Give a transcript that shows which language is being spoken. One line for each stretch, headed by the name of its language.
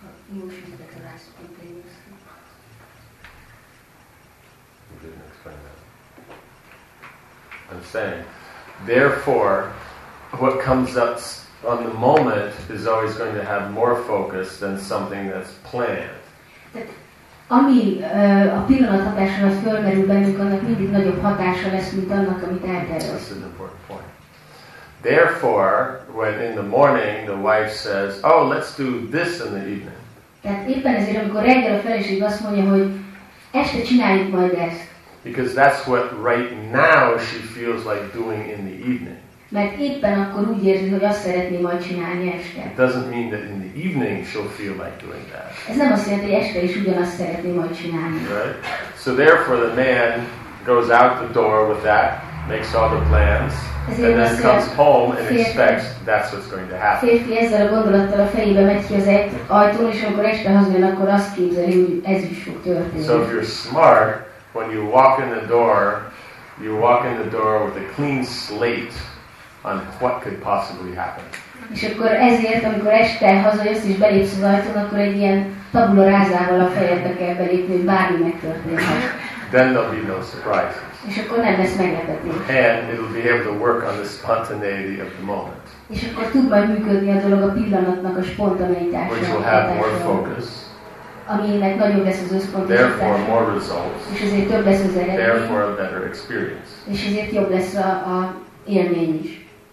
English: Emotions that are spontaneous. I'm saying, therefore, what comes up on the moment is always going to have more focus than something that's planned.
Hungarian: Ami a pillanat hatásra fölmerül bennünk, annak mindig nagyobb hatása lesz, mint annak, amit eltervezünk.
English: That's an important point. Therefore, when in the morning the wife says, oh, let's do this in the evening.
Hungarian: Tehát éppen ezért, amikor reggel a feleség azt mondja, hogy este csináljuk majd ezt.
English: Because that's what right now she feels like doing in the evening.
Hungarian: Mert éppen akkor úgy érzi, hogy azt szeretné majd csinálni este.
English: It doesn't mean that in the evening she'll feel like doing that.
Hungarian: Ez nem azt jelenti, hogy este is ugyanazt szeretné majd csinálni.
English: Right? So therefore the man goes out the door with that, makes all the plans, and then comes home and expects that's what's going to happen.
Hungarian: Férfi ezzel a gondolattal a fejébe megy ki az ajtón, és amikor este hazajön, akkor azt képzeli, hogy ez is fog történni.
English: So if you're smart, when you walk in the door, you walk in the door with a clean slate on what could possibly happen.
Hungarian: És akkor ezért, amikor este hazajössz és belépsz az ajtón, akkor egy ilyen tabula rázával a fejedbe kell belépni, hogy bármi megtörténhet.
English: Then there'll be no surprises.
Hungarian: És akkor nem lesz meglepetés.
English: And it'll be able to work on the spontaneity of the moment.
Hungarian: És akkor tud majd működni a dolog a pillanatnak a spontaneitásra.
English: Which will have more focus.
Hungarian: Aminek nagyobb lesz az összpontosítása.
English: Therefore more results.
Hungarian: És ezért több lesz az eredmény.
English: Therefore a better experience.
Hungarian: És ezért jobb lesz a élmény is.